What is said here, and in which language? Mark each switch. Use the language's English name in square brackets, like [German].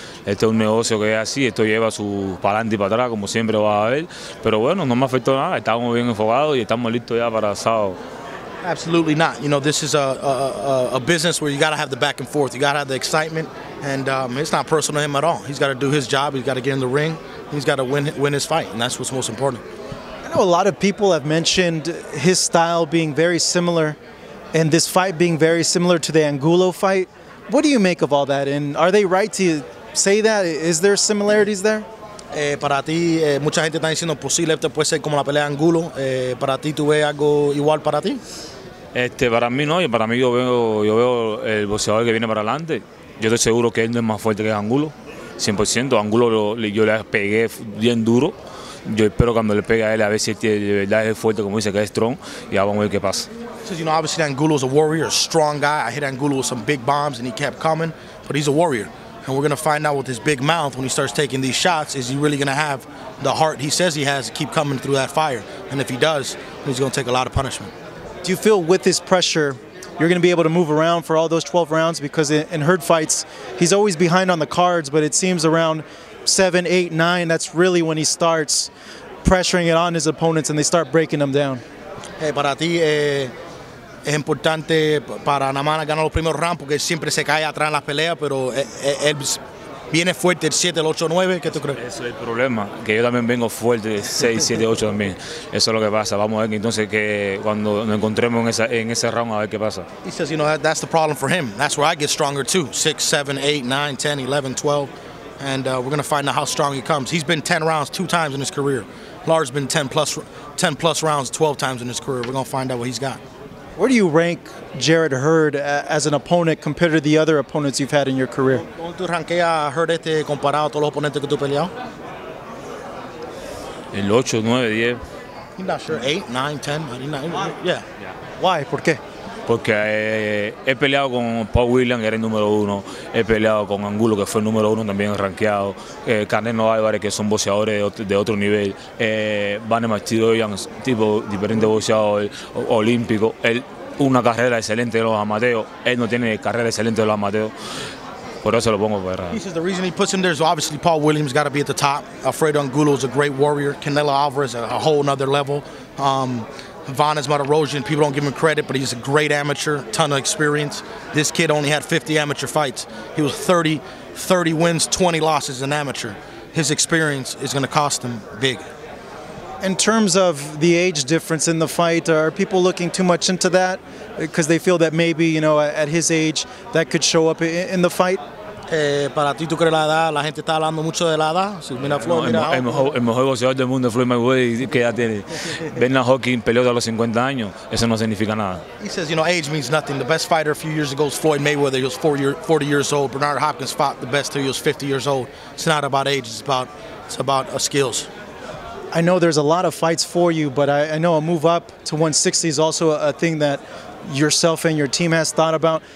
[Spanish] Esto es un negocio que es así, esto lleva su para adelante y para atrás, como siempre va a ver. Pero bueno, no me afectó nada, estábamos bien enfocados y estamos listos ya para el sábado. [English] Absolutely not. You know, this is a business where you got to have the back and forth. You got to have the excitement, and it's not personal to him at all. He's got to do his job, he's got to get in the ring, he's got to win his fight, and that's what's most important. I know a lot of people have mentioned his style being very similar and this fight being very similar to the Angulo fight. What do you make of all that, and are they right to say that? Is there similarities there? [Spanish] Para ti, mucha gente está diciendo posible esto puede ser como la pelea de Angulo. Para ti, ¿tú ves algo igual para ti? Para mí no. Para mí yo veo el boxeador que viene para adelante. Yo estoy seguro que él no es más fuerte que Angulo, 100%. Angulo yo le pegué bien duro. Yo espero cuando le pegue a él a ver si de verdad es fuerte, como dice, que es strong, y vamos a ver qué pasa. [English] Says, you know, obviously Angulo is a warrior, a strong guy. I hit Angulo with some big bombs and he kept coming, but he's a warrior. And we're going to find out with his big mouth when he starts taking these shots, is he really going to have the heart he says he has to keep coming through that fire? And if he does, he's going to take a lot of punishment. Do you feel with this pressure, you're going to be able to move around for all those 12 rounds? Because in hurd fights, he's always behind on the cards, but it seems around 7, 8, 9, that's really when he starts pressuring it on his opponents and they start breaking them down. [Spanish] Hey, para ti, es importante para Namana ganar los primeros rounds porque siempre se cae atrás en las peleas, pero él viene fuerte el 7, el 8, 9, ¿qué tú crees? Eso es el problema, que yo también vengo fuerte el 6, 7, 8 también. Eso es lo que pasa. Vamos a ver entonces que cuando nos encontremos en ese round a ver qué pasa. [English] He says, you know, that's the problem for him. That's where I get stronger too. 6, 7, 8, 9, 10, 11, 12. And we're going to find out how strong he comes. He's been 10 rounds 2 times in his career. Lars has been 10 plus rounds 12 times in his career. We're going to find out what he's got. Where do you rank Jarrett Hurd as an opponent compared to the other opponents you've had in your career? [Spanish] ¿Cómo tú rankeas a Hurd este comparado a todos los oponentes que tú peleas? El 8, 9, 10. [English] I'm not sure. 8, 9, 10. Yeah. Why? [Spanish] ¿Por qué? Porque he peleado con Paul Williams, que era el número uno. He peleado con Angulo, que fue el número uno también rankeado. Canelo Álvarez, que son boxeadores de otro nivel. Vane Machidoyans, tipo diferente boxeador olímpico. Él, una carrera excelente de los amateurs. Él no tiene carrera excelente de los amateurs. Por eso lo pongo para. [English] He says the reason he puts him there is obviously Paul Williams got to be at the top. Alfredo Angulo is a great warrior. Canelo Álvarez, a whole another level. Von is Matarosian. People don't give him credit, but he's a great amateur, ton of experience. This kid only had 50 amateur fights. He was 30 wins, 20 losses as an amateur. His experience is going to cost him big. In terms of the age difference in the fight, are people looking too much into that? Because they feel that maybe, you know, at his age, that could show up in the fight? [Spanish] Para ti, ¿tú crees la edad? La gente está hablando mucho de la edad. Si mira Floyd, no, mira. El mejor boxeador del mundo, Floyd Mayweather, ¿qué edad tiene? Ben Hawking peleó a los 50 años. Eso no significa nada. [English] He says, you know, age means nothing. The best fighter a few years ago was Floyd Mayweather. He was 40 years old. Bernard Hopkins fought the best till he was 50 years old. It's not about age. It's about skills. I know there's a lot of fights for you, but I know a move up to 160 is also a thing that yourself and your team has thought about.